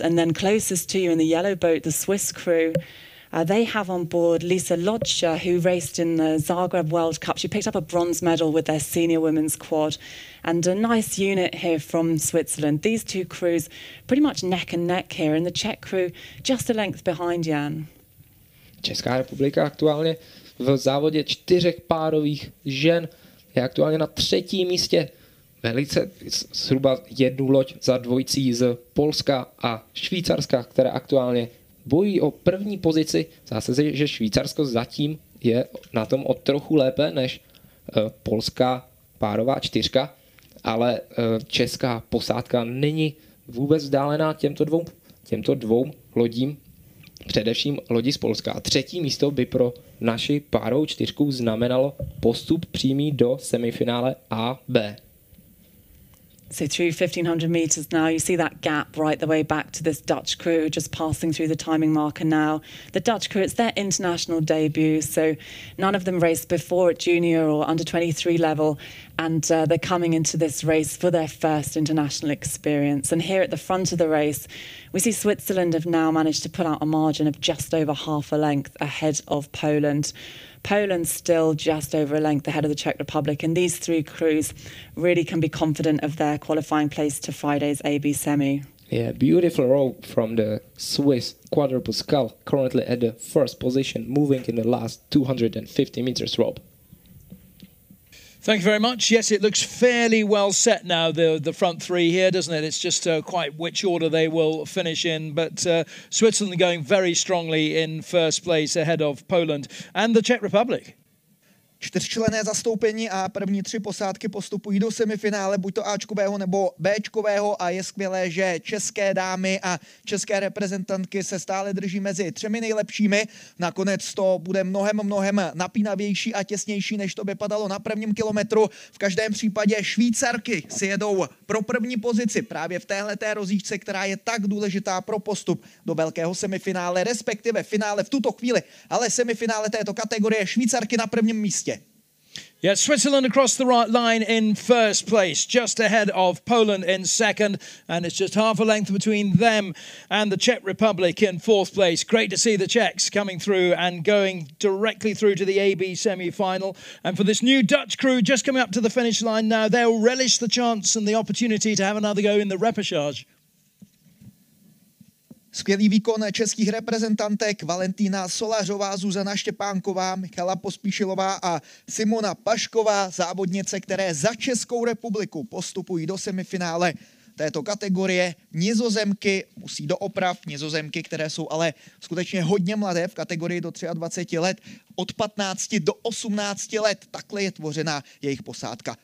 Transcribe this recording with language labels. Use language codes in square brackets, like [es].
[en] And then closest to you in the yellow boat, the Swiss crew, they have on board Lisa Lodscher, who raced in the Zagreb World Cup. She picked up a bronze medal with their senior women's quad, and a nice unit here from Switzerland. These two crews pretty much neck and neck here, and the Czech crew just a length behind, Jan. [cs] Česká republika aktuálně v závodě čtyřech párových žen je aktuálně na třetím místě. Velice zhruba jednu loď za dvojicí z Polska a Švýcarska, které aktuálně bojí o první pozici. Zdá se, že Švýcarsko zatím je na tom o trochu lépe než polská párová čtyřka, ale česká posádka není vůbec vzdálená těmto dvou lodím, především lodi z Polska. Třetí místo by pro naši párovou čtyřku znamenalo postup přímý do semifinále A, B. [en] So through 1500 meters now, you see that gap right the way back to this Dutch crew just passing through the timing marker now. The Dutch crew, it's their international debut, so none of them raced before at junior or under 23 level, and they're coming into this race for their first international experience. And here at the front of the race, we see Switzerland have now managed to put out a margin of just over half a length ahead of Poland. Poland's still just over a length ahead of the Czech Republic, and these three crews really can be confident of their qualifying place to Friday's AB semi. Yeah, beautiful row from the Swiss quadruple skull, currently at the first position, moving in the last 250 meters, Rob. Thank you very much. Yes, it looks fairly well set now, the front three here, doesn't it? It's just quite which order they will finish in. But Switzerland going very strongly in first place ahead of Poland and the Czech Republic. [cs] Čtyřčlenné zastoupení a první tři posádky postupují do semifinále, buď to Ačkového nebo Bčkového, a je skvělé, že české dámy a české reprezentantky se stále drží mezi třemi nejlepšími. Nakonec to bude mnohem napínavější a těsnější, než to vypadalo na prvním kilometru. V každém případě Švýcarky si jedou pro první pozici právě v téhleté rozjížce, která je tak důležitá pro postup do velkého semifinále, respektive finále v tuto chvíli, ale semifinále této kategorie. Švýcarky na prvním místě. [en] Yeah, Switzerland across the right line in first place, just ahead of Poland in second, and it's just half a length between them and the Czech Republic in fourth place. Great to see the Czechs coming through and going directly through to the AB semi-final. And for this new Dutch crew just coming up to the finish line now, they'll relish the chance and the opportunity to have another go in the repechage. [cs] Skvělý výkon českých reprezentantek Valentína Solařová, Zuzana Štěpánková, Michaela Pospíšilová a Simona Pašková, závodnice, které za Českou republiku postupují do semifinále této kategorie. Nizozemky musí do oprav, Nizozemky, které jsou ale skutečně hodně mladé v kategorii do 23 let, od 15 do 18 let, takhle je tvořena jejich posádka.